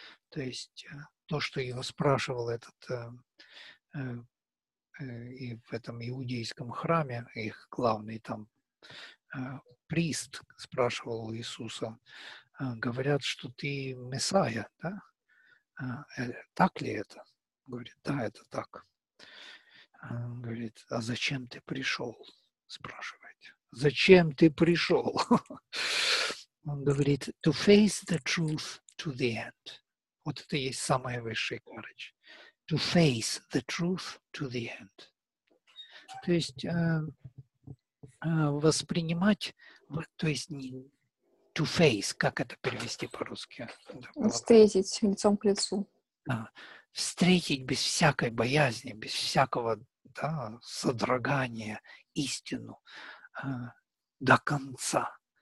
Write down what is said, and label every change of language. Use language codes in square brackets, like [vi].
[ru] То есть то, что его спрашивал этот и в этом иудейском храме, их главный там прист спрашивал у Иисуса, говорят, что ты Мессия, да? Так ли это? Говорит, да, это так. Говорит, а зачем ты пришел? Спрашивает. Зачем ты пришел? Он говорит, [en] to face the truth to the end. [ru] Вот это и есть самая высшая courage. [en] To face the truth to the end. [ru] То есть воспринимать, то есть не [en] to face, [ru] как это перевести по-русски? Встретить лицом к лицу. А, встретить без всякой боязни, без всякого, да, содрогания истину до конца.